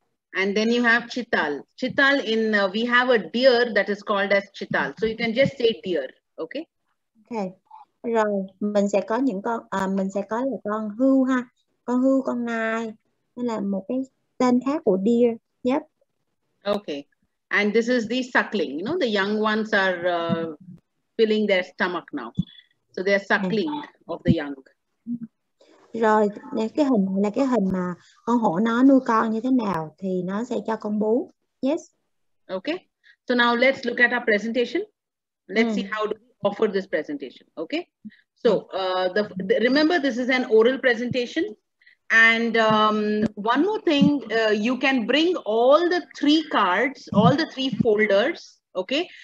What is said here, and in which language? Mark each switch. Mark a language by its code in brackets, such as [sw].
[en] And then you have chital. Chital in we have a deer that is called as chital. So you can just say deer, okay? Okay. [vi] Rồi mình sẽ có những con mình sẽ có là con hươu ha. Con hươu, con nai. Hay là một cái tên khác của deer. [en] Yep. Okay. And this is the suckling. You know, the young ones are filling their stomach now. So they are suckling of the young. [vi] Rồi, cái hình này là cái hình mà con hổ nó nuôi con như thế nào thì nó sẽ cho con bú. [en] Yes. Okay. So now let's look at our presentation. Let's see how do we offer this presentation. Okay. So the remember, this is an oral presentation. And one more thing, you can bring all the three cards, all the three folders. Okay.